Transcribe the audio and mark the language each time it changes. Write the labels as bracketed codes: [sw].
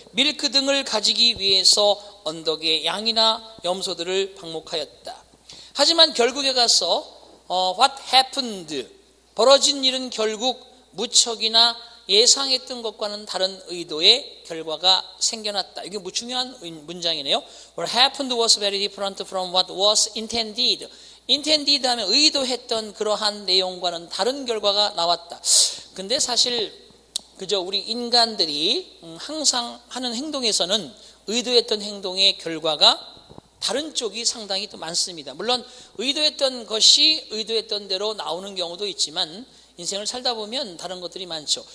[ko] 밀크 등을 가지기 위해서 언덕에 양이나 염소들을 방목하였다. 하지만 결국에 가서, [en] what happened? [ko] 벌어진 일은 결국 무척이나 예상했던 것과는 다른 의도의 결과가 생겨났다. 이게 뭐 중요한 문장이네요. [en] What happened was very different from what was intended. [ko] Intended 하면 의도했던 그러한 내용과는 다른 결과가 나왔다. 근데 사실 그저 우리 인간들이 항상 하는 행동에서는 의도했던 행동의 결과가 다른 쪽이 상당히 또 많습니다. 물론 의도했던 것이 의도했던 대로 나오는 경우도 있지만 인생을 살다 보면 다른 것들이 많죠.